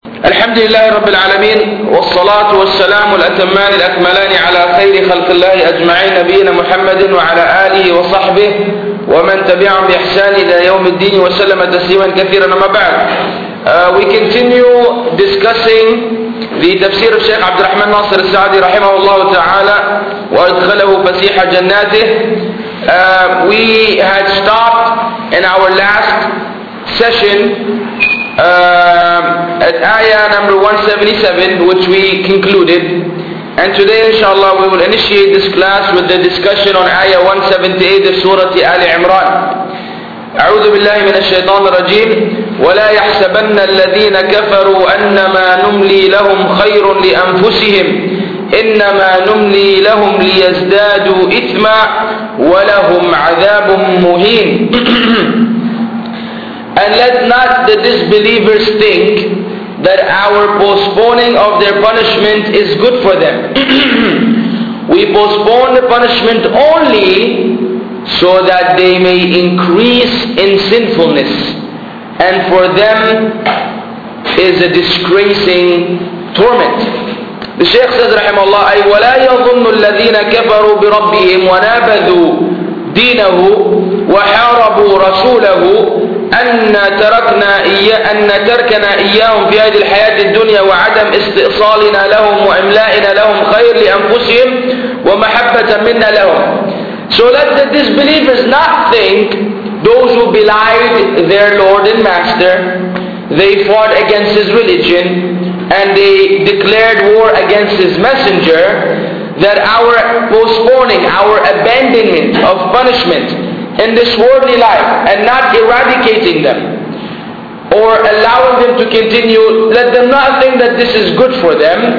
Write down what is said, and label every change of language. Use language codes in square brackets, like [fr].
[ar] الحمد لله رب العالمين، والصلاة والسلام الأتمان الأكملان على خير خلق الله أجمعين نبينا محمد وعلى آله وصحبه ومن تبعهم بإحسان إلى يوم الدين وسلم تسليما كثيرا. ما بعد، [en] we continue discussing the [ar] تفسير الشيخ عبد الرحمن ناصر السعدي رحمه الله تعالى وأدخله فسيح جناته. [en] We had stopped in our last session at ayah number 177, which we concluded, and today inshallah we will initiate this class with the discussion on ayah 178 of Surah Ali Imran. [ar] أعوذ بالله من الشيطان الرجيم ولا يحسبن الذين كفروا أنما نملي لهم خير لأنفسهم إنما نملي لهم ليزدادوا إثما ولهم عذاب مهين. [en] And let not the disbelievers think that our postponing of their punishment is good for them. We postpone the punishment only so that they may increase in sinfulness, and for them is a disgracing torment. The Shaykh says, [ar] rahimahullah, أي ولا يظن الذين كفروا بربهم ونابذوا دينه وحاربوا رسوله أن تركنا إياهم في هذه الحياة الدنيا وعدم استئصالنا لهم وإملائنا لهم خير لأنفسهم ومحبة منا لهم. [en] So let the disbelievers not think, those who belied their Lord and Master, they fought against his religion and they declared war against his messenger, that our postponing, our abandonment of punishment in this worldly life and not eradicating them or allowing them to continue, let them not think that this is good for them